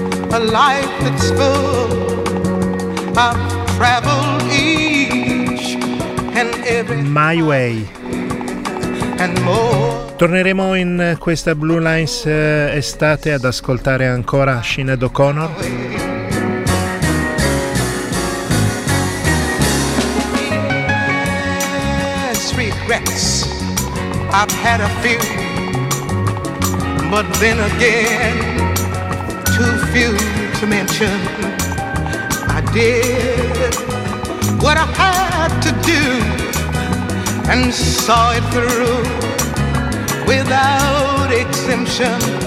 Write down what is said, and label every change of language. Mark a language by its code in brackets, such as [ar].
[en] A life that's full, I've traveled each and every my way and more. [it] Torneremo in questa Blue Lines estate ad ascoltare ancora Sinéad O'Connor. [en] Yes, regrets, I've had a few, but then again too few to mention. I did what I had to do and saw it through without exemption.